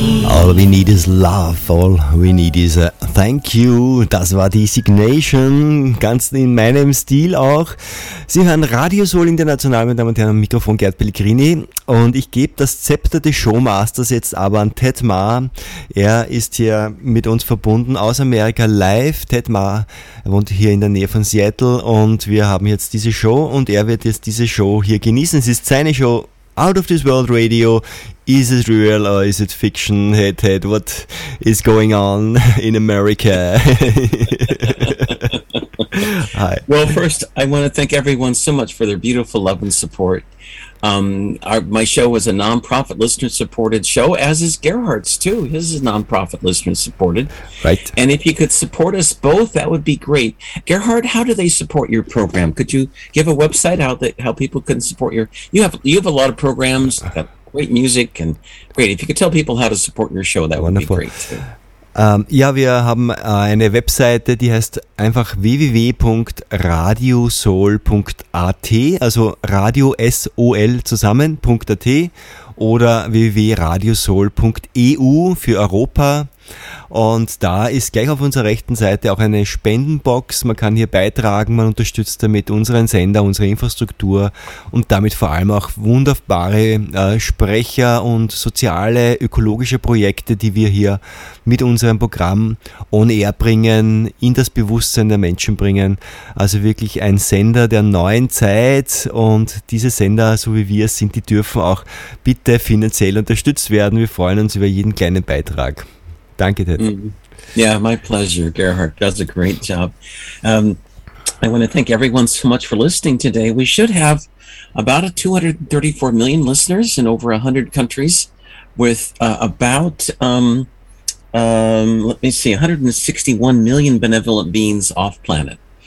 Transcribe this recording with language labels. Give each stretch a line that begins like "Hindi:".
English: All we need is love, all we need is a thank you.
German: Das war die Signation, ganz in meinem Stil auch. Sie hören Radio Soul International, meine Damen und Herren, am Mikrofon Gerd Pellegrini. Und ich gebe das Zepter des Showmasters jetzt aber an Ted Maas. Er ist hier mit uns verbunden aus Amerika live. Ted Maas wohnt hier in der Nähe von Seattle und wir haben jetzt diese Show und er wird jetzt diese Show hier genießen. Es ist seine Show.
English: Out of This World Radio, is it real or is it fiction? Hey Ted, what is going on in America? Hi. Well, first, I want to thank everyone so much for their beautiful love and support. My show is a non-profit listener-supported show, as is Gerhard's too. His is non-profit listener-supported. Right. And if you could support us both, that would be great. Gerhard, how do they support your program? Could you give a website out that how people can support your... You have a lot of programs, great music, and great. If you could tell people how to support your show, that Wonderful. Would be great too.
German: Ja, wir haben eine Webseite, die heißt einfach www.radiosol.at, also Radio S-O-L zusammen.at oder www.radiosol.eu für Europa. Und da ist gleich auf unserer rechten Seite auch eine Spendenbox. Man kann hier beitragen, man unterstützt damit unseren Sender, unsere Infrastruktur und damit vor allem auch wunderbare Sprecher und soziale, ökologische Projekte, die wir hier mit unserem Programm on air bringen, in das Bewusstsein der Menschen bringen. Also wirklich ein Sender der neuen Zeit, und diese Sender, so wie wir es sind, die dürfen auch bitte finanziell unterstützt werden. Wir freuen uns über jeden kleinen Beitrag. Danke, Ted.
English: Yeah, my pleasure, Gerhard. Does a great job. I want to thank everyone so much for listening today. We should have about 234 million listeners in over 100 countries with about, let me see, 161 million benevolent beings off planet.